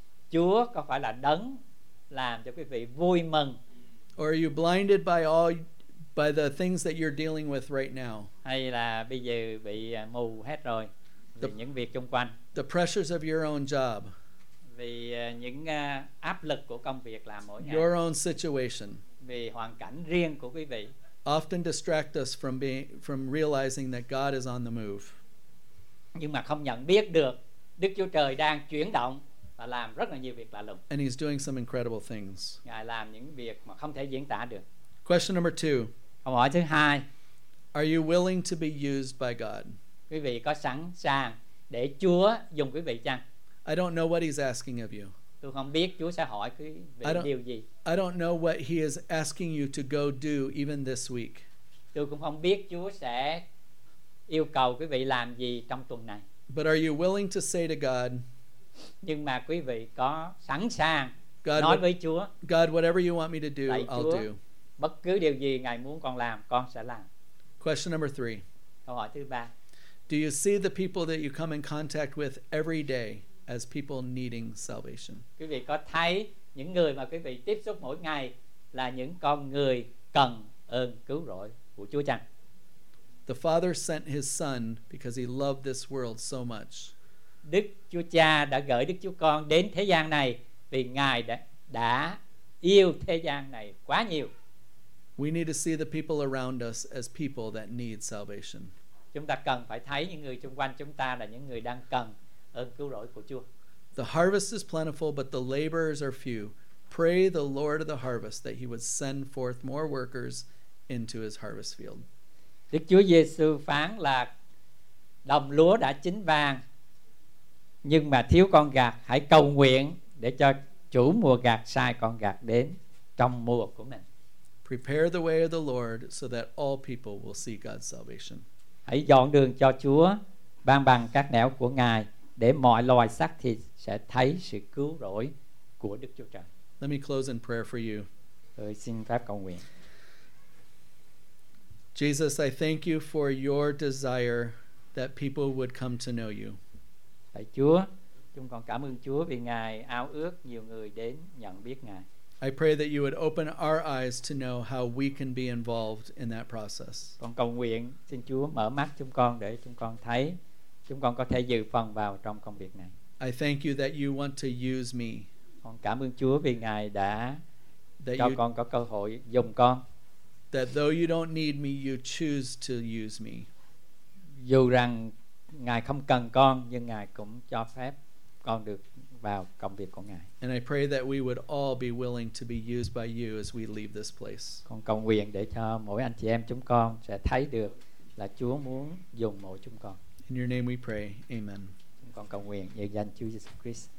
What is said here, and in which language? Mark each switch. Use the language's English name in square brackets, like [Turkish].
[Vietnamese] Chúa có phải là đấng làm cho quý vị vui mừng? [English] Or are you blinded by all by the things that you're dealing with right now? [Vietnamese] Hay là bây giờ bị mù hết rồi vì những việc xung quanh? [English] The pressures of your own job. [Vietnamese] Vì những áp lực của công việc làm mỗi ngày. [English] Your own situation. [Vietnamese] Vì hoàn cảnh riêng của quý vị. [English] Often distract us from realizing that God is on the move. [Vietnamese] Nhưng mà không nhận biết được Đức Chúa Trời đang chuyển động. Và làm rất là nhiều việc lạ lùng. [English] And he's doing some incredible things. [Vietnamese] Ngài làm những việc mà không thể diễn tả được. [English] Question number two. [Vietnamese] Câu hỏi thứ hai. [English] Are you willing to be used by God? [Vietnamese] Quý vị có sẵn sàng để Chúa dùng quý vị chăng? [English] I don't know what he's asking of you. [Vietnamese] Tôi không biết Chúa sẽ hỏi quý vị điều gì. [English] I don't know what he is asking you to go do even this week. [Vietnamese] Tôi cũng không biết Chúa sẽ yêu cầu quý vị làm gì trong tuần này. [English] But are you willing to say to God? [Vietnamese] Nhưng mà quý vị có sẵn sàng God, nói với Chúa. [English] God, whatever you want me to do, [Vietnamese] lạy [English] I'll [Vietnamese] Chúa, [English] do. [Vietnamese] Bất cứ điều gì Ngài muốn con làm, con sẽ làm. [English] Question number three. [Vietnamese] Câu hỏi thứ ba. [English] Do you see the people that you come in contact with every day as people needing salvation? [Vietnamese] Quý vị có thấy những người mà quý vị tiếp xúc mỗi ngày là những con người cần ơn cứu rỗi của Chúa chăng? [English] The Father sent his son because he loved this world so much. [Vietnamese] Đức Chúa Cha đã gửi Đức Chúa Con đến thế gian này vì Ngài đã yêu thế gian này quá nhiều. [English] We need to see the people around us as people that need salvation. [Vietnamese] Chúng ta cần phải thấy những người xung quanh chúng ta là những người đang cần ơn cứu rỗi của Chúa. [English] The harvest is plentiful but the laborers are few. Pray the Lord of the harvest that he would send forth more workers into his harvest field. [Vietnamese] Đức Chúa Giêsu phán là đồng lúa đã chín vàng nhưng mà thiếu con gạt, hãy cầu nguyện để cho chủ mùa gạt sai con gạt đến trong mùa của mình. [English] Prepare the way of the Lord so that all people will see God's salvation. [Vietnamese] Hãy dọn đường cho Chúa, ban bằng các nẻo của Ngài để mọi loài xác thịt sẽ thấy sự cứu rỗi của Đức Chúa Trời. [English] Let me close in prayer for you. [Vietnamese] Tôi xin phép cầu nguyện. [English] Jesus, I thank you for your desire that people would come to know you. [Vietnamese] Lạy Chúa, chúng con cảm ơn Chúa vì Ngài ao ước nhiều người đến nhận biết Ngài. [English] I pray that you would open our eyes to know how we can be involved in that process. [Vietnamese] Con cầu nguyện xin Chúa mở mắt chúng con để chúng con thấy chúng con có thể dự phần vào trong công việc này. [English] I thank you that you want to use me. [Vietnamese] Con cảm ơn Chúa vì Ngài đã cho con có cơ hội dùng con. [English] That though you don't need me, you choose to use me. [Vietnamese] Dù rằng Ngài không cần con nhưng Ngài cũng cho phép con được vào công việc của Ngài. [English] And I pray that we would all be willing to be used by you as we leave this place. [Vietnamese] Con cầu nguyện để cho mỗi anh chị em chúng con sẽ thấy được là Chúa muốn dùng mỗi chúng con. [English] In your name we pray. Amen. [Vietnamese] Chúng con cầu nguyện dưới danh Chúa Jesus Christ.